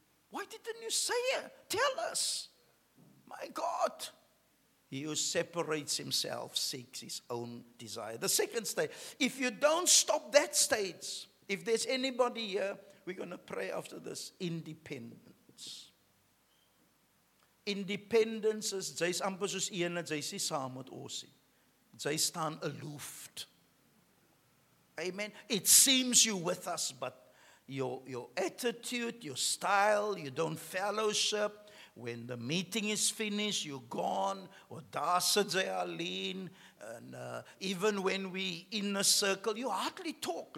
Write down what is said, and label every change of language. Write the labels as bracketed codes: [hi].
[en] Why didn't you say it? Tell us. My God. He who separates himself seeks his own desire. The second stage. If you don't stop that stage, if there's anybody here, we're going to pray after this. Independence. Independence is, [af] jy is amper soos een, jy is saam met ons. Jy staan aloof. Amen. [en] It seems you're with us, but your attitude, your style, you don't fellowship. When the meeting is finished, you're gone. Or dasadze alleen. And even when we in a circle, you hardly talk.